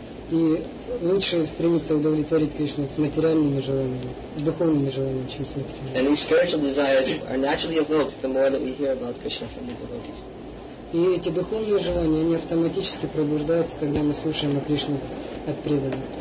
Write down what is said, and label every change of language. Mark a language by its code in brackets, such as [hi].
[ru] И лучше стремиться удовлетворить Кришну с материальными желаниями, с духовными желаниями, чем с материальными. [en] And these spiritual desires are naturally evoked the more that we hear about Krishna from the devotees. [ru] И эти духовные желания, они автоматически пробуждаются, когда мы слушаем о Кришне от преданных.